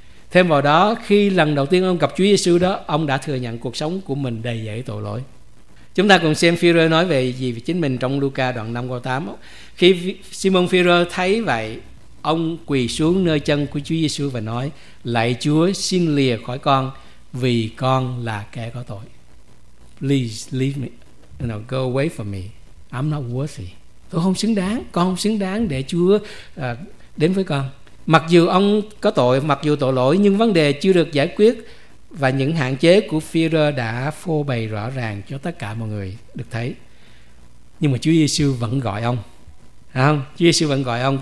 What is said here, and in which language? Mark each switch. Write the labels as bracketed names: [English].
[Vietnamese] Thêm vào đó, khi lần đầu tiên ông gặp Chúa Giê-xu đó, ông đã thừa nhận cuộc sống của mình đầy dẫy tội lỗi. Chúng ta cùng xem Phi-rơ nói về gì về chính mình trong Luca đoạn 5 câu 8. Khi Simon Phi-rơ thấy vậy, ông quỳ xuống nơi chân của Chúa Giê-xu và nói: "Lạy Chúa, xin lìa khỏi con, vì con là kẻ có tội. [English] Please leave me, you know, go away from me. I'm not worthy. [Vietnamese] Tôi không xứng đáng, con không xứng đáng để Chúa đến với con." Mặc dù ông có tội, mặc dù tội lỗi, nhưng vấn đề chưa được giải quyết và những hạn chế của Phi-rơ đã phô bày rõ ràng cho tất cả mọi người được thấy. Nhưng mà Chúa Giê-xu vẫn gọi ông. À, Chúa Giê-xu vẫn gọi ông.